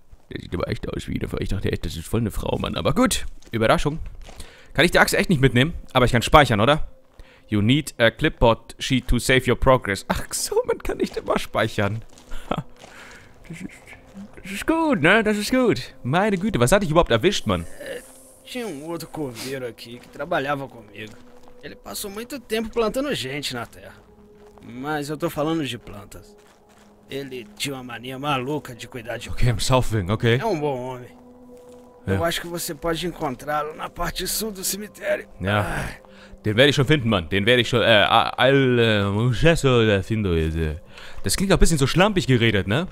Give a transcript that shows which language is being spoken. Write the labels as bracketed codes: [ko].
[de] Der sieht aber echt aus wie eine Frau. Ich dachte echt, das ist voll eine Frau, Mann. Aber gut, Überraschung. Kann ich die Axt echt nicht mitnehmen? Aber ich kann speichern, oder? [en] You need a clipboard sheet to save your progress. [de] Ach so, man kann nicht immer speichern. Das ist gut, ne? Das ist gut. Meine Güte, was hatte ich überhaupt erwischt, Mann? [pt] Tinha outro coveiro aqui, que trabalhava comigo. Ele passou muito tempo plantando gente na terra. Mas eu tô falando de plantas. Ele tinha uma mania maluca de cuidar de... [en] Ok, I'm solving, ok. [pt] É um bom homem. Yeah. Eu acho que você pode encontrá-lo na parte sul do cemitério. [de] Ja. Yeah. Den werde ich schon finden, Mann. Den werde ich schon... Das klingt ein bisschen so schlampig geredet, ne?